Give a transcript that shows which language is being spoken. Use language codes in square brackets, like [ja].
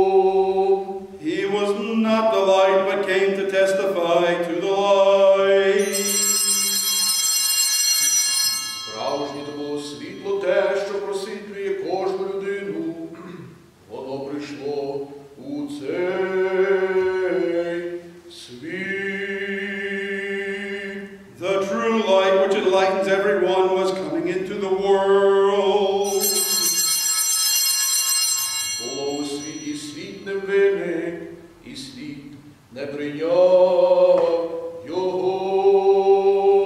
[en] not the light, but came to testify to the light. [uk] Справжнє то було світло те, що просвітлює кожну людину. Воно прийшло у цей світ. [en] The true light, which enlightens everyone, was coming into the world. [uk] Було у світі світ невинник, і світ не прийняв його.